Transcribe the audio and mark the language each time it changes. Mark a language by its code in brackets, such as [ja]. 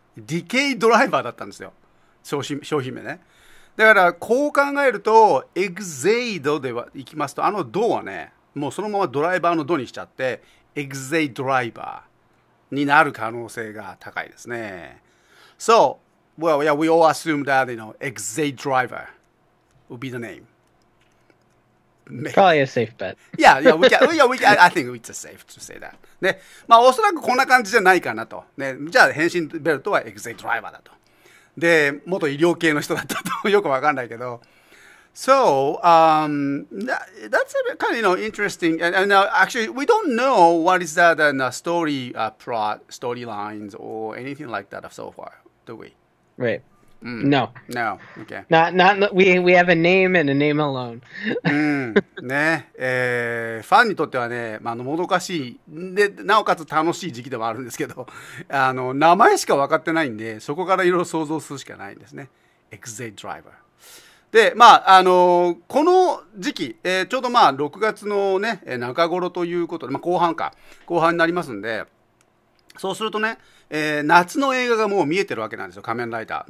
[ja] ディケイドライバーだったんですよ、商品名ね。だからこう考えるとエグゼイドでは行きますと、あのドはねもうそのままドライバーのドにしちゃってエグゼイドライバーになる可能性が高いですね。 [en] So, well, yeah, we all assume that, you know, エグゼイドライバー would be the name. Probably a safe bet. Yeah, I think it's a safe to say that. [ja] ね、まあおそらくこんな感じじゃないかなと、ね、じゃあ変身ベルトはエグゼイドライバーだと、で元医療系の人だったとよく分かんないけど、 [en] So that's a kind of, you know, interesting, and actually we don't know what is that in a story plot, storylines or anything like that so far, do we? Right. No. No. Okay. We have a name and a name alone. [ja] ね、ファンにとってはね、まあ、もどかしいで、なおかつ楽しい時期でもあるんですけど、名前しか分かってないんで、そこからいろいろ想像するしかないんですね。 [en] Exit Driver。 [ja] で、まあ、この時期、ちょうどまあ6月のね、中頃ということで、まあ、後半になりますんで、そうするとね、夏の映画がもう見えてるわけなんですよ、仮面ライダー。